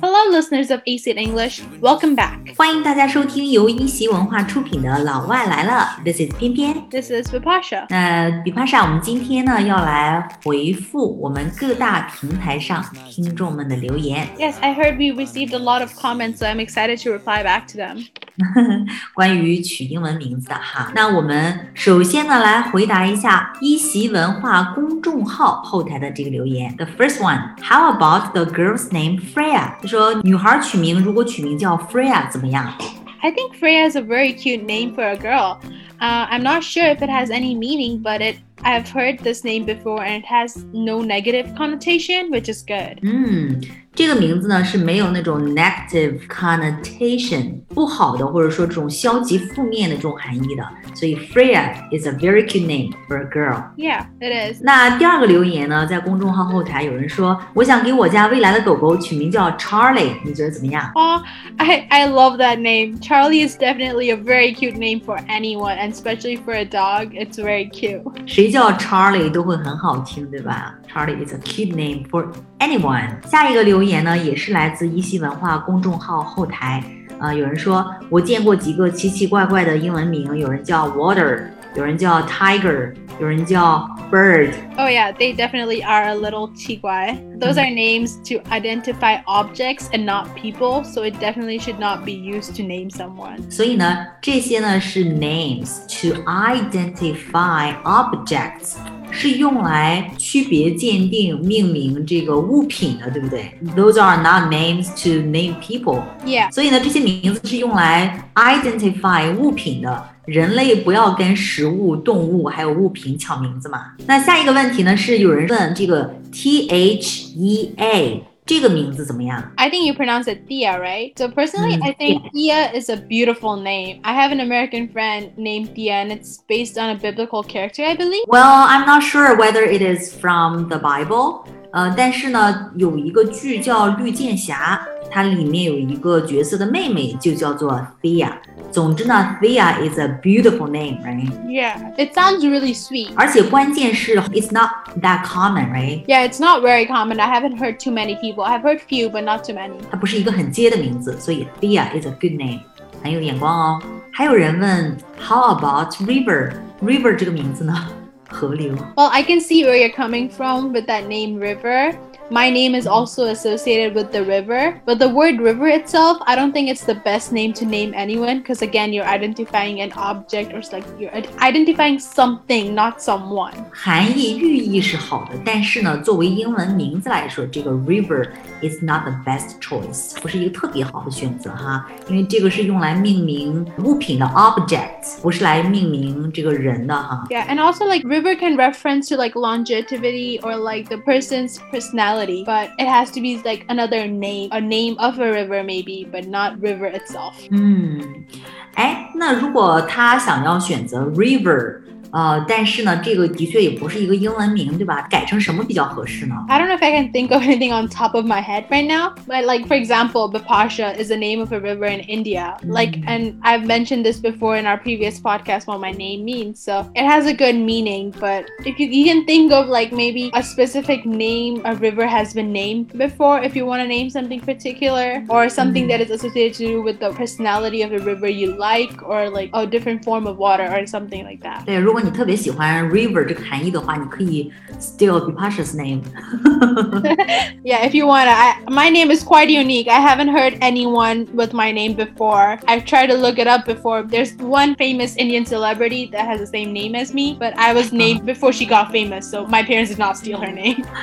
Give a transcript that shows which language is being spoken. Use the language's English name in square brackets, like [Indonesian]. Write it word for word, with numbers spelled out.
[English] listeners of A C I D English, welcome back. [Chinese] 欢迎大家收听由一席文化出品的《老外来了》， [English] This is [Chinese] 偏偏 [English] ，This is Vipasha。 [Chinese] 那 Vipasha，我们今天呢要来回复我们各大平台上听众们的留言。 [English] Yes, I heard we received a lot of comments, so I'm excited to reply back to them. [Chinese] 关于取英文名字的哈，那我们首先呢来回答一下一席文化公众号后台的这个留言。 [English] The first one, how about the girl's name Freya？ [Chinese] 就说女孩取名，如果取名叫 Freya 怎么样？ [English] I think Freya is a very cute name for a girl. Uh, I'm not sure if it has any meaning, but it, I've heard this name before and it has no negative connotation, which is good. [Chinese] 嗯，这个名字呢是没有那种 [English] negative connotation, [Chinese] 不好的或者说这种消极负面的这种含义的。 [English] 所以 Freya is a very cute name for a girl. Yeah, it is. [Chinese] 那第二个留言呢，在公众号后台有人说，我想给我家未来的狗狗取名叫 Charlie， 你觉得怎么样？ [English] 哦、oh, I, I love that name. Charlie is definitely a very cute name for anyone, and especially for a dog, it's very cute. [Chinese] 谁叫 Charlie 都会很好听，对吧？ [English] Charlie is a cute name for anyone. [Chinese] 下一个留言呢，也是来自一席文化公众号后台。呃，有人说，我见过几个奇奇怪怪的英文名，有人叫 Water， 有人叫 Tiger， 有人叫 Bird. [English] Oh yeah, they definitely are a little 奇怪。 Those are names to identify objects and not people, so it definitely should not be used to name someone. [Chinese] 所以呢，这些呢是 [English] names to identify objects. [Chinese] 是用来区别鉴定命名这个物品的，对不对？ [English] Those are not names to name people. Yeah. [Chinese] 所以呢，这些名字是用来 identify 物品的。人类不要跟食物、动物还有物品抢名字嘛。那下一个问题呢，是有人问这个 T H E A。这个名字怎么样？ [English] I think you pronounce it Thea, right? So personally, mm, I think yeah. Thea is a beautiful name. I have an American friend named Thea, and it's based on a biblical character, I believe. Well, I'm not sure whether it is from the Bible. [Chinese] 呃，但是呢，有一个剧叫《绿箭侠》，它里面有一个角色的妹妹就叫做 Thea。总之呢 [English] Thea is a beautiful name, right? Yeah, it sounds really sweet. [Chinese] 而且关键是 [English] it's not that common, right? Yeah, it's not very common. I haven't heard too many people. I've heard few, but not too many. [Chinese] 它不是一个很接的名字，所以 Thea is a good name. 很有眼光哦。还有人问 [English] how about River? [Chinese] River 这个名字呢，河流。 [English] Well, I can see where you're coming from with that name River. My name is also associated with the river, but the word river itself, I don't think it's the best name to name anyone because again, you're identifying an object or like you're identifying something, not someone. [Chinese] 含义寓意是好的，但是呢，作为英文名字来说，这个 [English] river is not the best choice， [Chinese] 不是一个特别好的选择哈，因为这个是用来命名物品的 object， 不是来命名这个人的哈。 [English] Yeah, and also like river can reference to like longevity or like the person's personality. But it has to be like another name, a name of a river maybe, but not river itself. [Chinese] 嗯，哎，那如果他想要选择 river，呃，但是呢，这个的确也不是一个英文名，对吧？改成什么比较合适呢 [English] ？I don't know if I can think of anything on top of my head right now, but like for example, Bipasha is the name of a river in India. Like, and I've mentioned this before in our previous podcast what my name means, so it has a good meaning. But if you, you can think of like maybe a specific name a river has been named before, if you want to name something particular or something that is associated to with the personality of a river you like, or like a different form of water or something like that. [Chinese] 对，如果你特别喜欢 river 这个含义的话，你可以 [English] steal Bipasha's name. Yeah, if you wanna. I, my name is quite unique. I haven't heard anyone with my name before. I've tried to look it up before. There's one famous Indian celebrity that has the same name as me, but I was named before she got famous, so my parents did not steal her name.